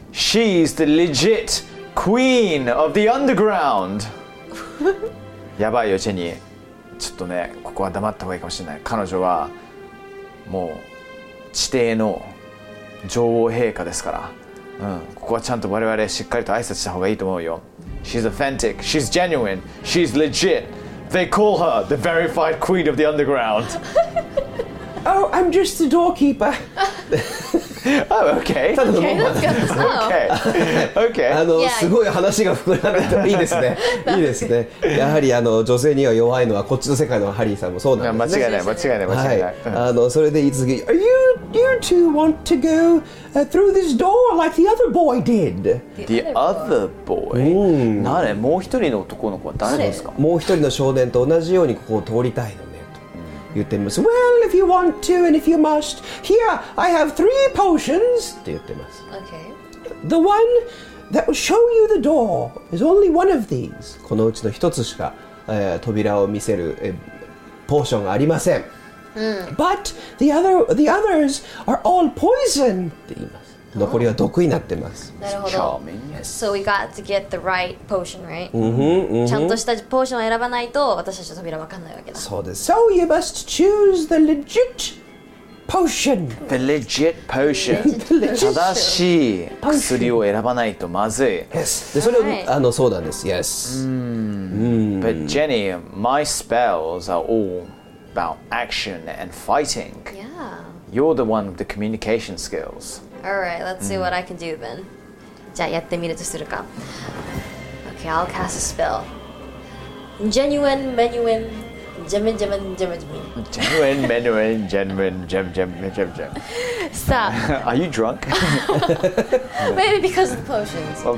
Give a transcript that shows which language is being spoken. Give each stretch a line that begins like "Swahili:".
English: She's the legit queen of the underground.
Japanese: やばいよ、ジェニー。ちょっとね、ここは黙った方がいいかもしれない。彼女はもう地底の女王陛下ですから。うん、ここはちゃんと我々しっかりと挨拶した方がいいと思うよ。
English: She's authentic, she's genuine, she's legit. They call her the verified queen of the underground. Oh, I'm just the doorkeeper. Oh, okay. Okay, that's good. Okay. Okay.
Japanese: すごい話が膨らんでていいですね。いいですね。やはり女性には弱いのはこっちの世界のハリーさんもそうなんですね。間違いない、間違いない、間違いない。はい。それで言い続け、
English: Are you... You two want to go through this door like the other boy did. The other boy?
Japanese: なれ、もう一人の男の子は誰ですか? もう一人の少年と同じようにここを通りたいのねと言ってます。
English: Well, if you want to and if you must, here I have three potions
Japanese: って言ってます。
English: The one that will show you the door is only one of these.
Japanese: このうちの一つしか扉を見せるポーションがありません。
English: But the others are all poison.
Japanese: って言います。残りは毒になってます。なるほど。
English: So we got to get the right potion, right? Mm-hmm.
Japanese: ちゃんとしたポーションを選ばないと私たちの扉は分かんないわけだ。そうです。
English: So you must choose the legit potion. The legit potion.
Japanese: 正しい薬を選ばないとまずい。 Yes. で、それを、right. そうなんです。Yes.
English: But Jenny, my spells are all. About action and fighting. Yeah. You're the one with the communication skills. Alright, let's see what I can do then.
Japanese: じゃあやってみるとするか。
English: Okay, I'll cast a spell. Genuine, menuin, jemin, jemin, jemin, jemin. Genuine, menuin, genuine, jem, jem, jem, jem. Stop. Are you drunk? Maybe because of the potions.